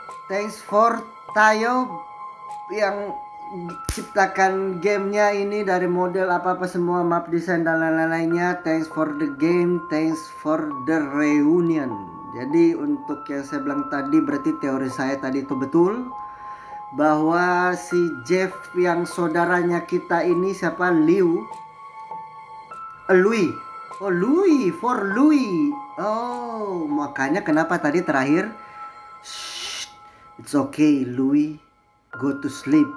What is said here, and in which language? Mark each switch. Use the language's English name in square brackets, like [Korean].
[Indonesian] Thanks for Tayo yang ciptakan gamenya ini dari model apa-apa semua, map design dan lain-lainnya. [English] Thanks for the game, thanks for the reunion. [Indonesian] Jadi untuk yang saya bilang tadi, berarti teori saya tadi itu betul, bahwa si Jeff yang saudaranya kita ini siapa? [English] Liu? Louis. Oh, Louis, for Louis. [Indonesian] Oh, makanya kenapa tadi terakhir shh, [English] it's okay Louis, go to sleep.